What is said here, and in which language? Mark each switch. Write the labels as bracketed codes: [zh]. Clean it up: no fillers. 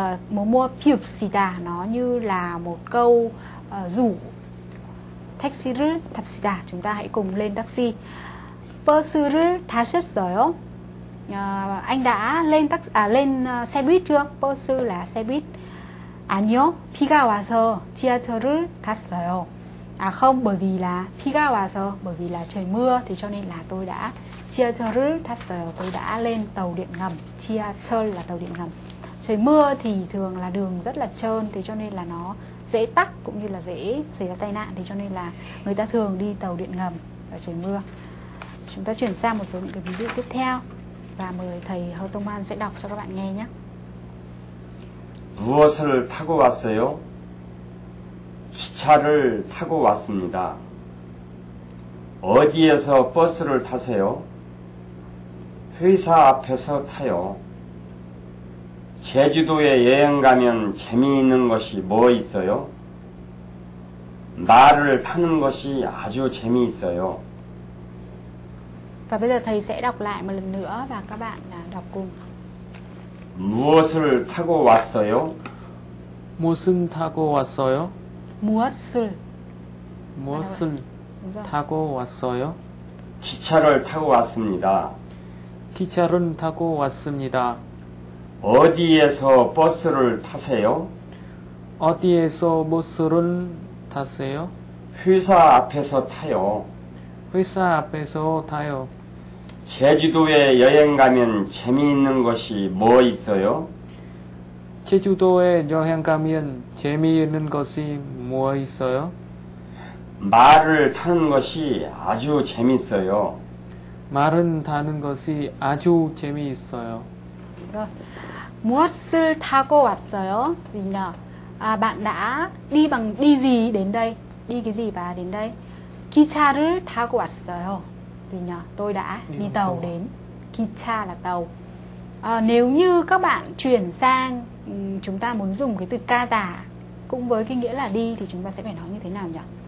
[ko] 뭐 뭐 탑시다. [vi] Nó như là một câu rủ. [ko] 택시를 탑시다. [vi] Chúng ta hãy cùng lên taxi. [ko] 버스를 타셨어요? [vi] Anh đã lên taxi lên xe buýt chưa? 버스 là xe buýt. [ko] 아니요. 비가 와서 지하철을 탔어요. [vi] Không, bởi vì là [ko] 비가 와서, [vi] bởi vì là trời mưa thì cho nên là tôi đã [ko] 지하철을 탔어요. [vi] Tôi đã lên tàu điện ngầm. 지하철 là tàu điện ngầm. Trời mưa thì thường là đường rất là trơn thì cho nên là nó dễ tắc cũng như là dễ xảy ra tai nạn, thì cho nên là người ta thường đi tàu điện ngầm vào trời mưa. Chúng ta chuyển sang một số những cái ví dụ tiếp theo và mời thầy Hơ Tông Man sẽ đọc cho các bạn nghe nhé. [ko] 무엇을 타고 왔어요? 기차를 타고 왔습니다. 어디에서 버스를 타세요? 회사 앞에서 타요. 제주도에 여행 가면 재미있는 것이 뭐 있어요? 말을 파는 것이 아주 재미있어요. [vi] Và bây giờ thầy sẽ đọc lại một lần nữa và các bạn đọc cùng. [ko] 무엇을 타고 왔어요? 무슨 타고 왔어요? 무엇을? 무엇을 타고 왔어요? 기차를 타고 왔습니다. 기차를 타고 왔습니다. 어디에서 버스를 타세요? 어디에서 버스를 타세요? 회사 앞에서 타요. 회사 앞에서 타요. 제주도에 여행 가면 재미있는 것이 뭐 있어요? 제주도에 여행 가면 재미있는 것이 뭐 있어요? 말을 타는 것이 아주 재미있어요. 말은 타는 것이 아주 재미있어요. 무엇을 타고 왔어요? [vi] 아, bạn đã đi bằng đi gì đến đây? Đi cái gì và đến đây? [ko] 기차를 타고 왔어요. [vi] Tôi đã đi tàu đến. 기차 là tàu. Nếu như các bạn chuyển sang, chúng ta muốn dùng cái từ 가다 cũng với cái nghĩa là đi thì chúng ta sẽ phải nói như thế nào nhỉ?